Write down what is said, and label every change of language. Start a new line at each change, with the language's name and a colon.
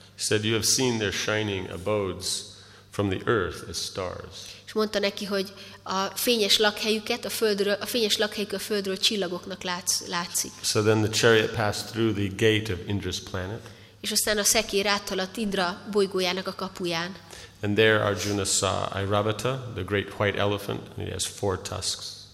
English: He said you have seen their shining abodes from the earth as stars.
Hungarian: És mondta neki, hogy a fényes lakhelyüket a fényes lakhelyük a földről csillagoknak látszik.
English: So then the chariot passed through the gate of Indra's planet.
Hungarian: És aztán a szekér áthaladt Indra bolygójának a kapuján.
English: And there Arjuna saw Airavata, the great white elephant, and he has four tusks.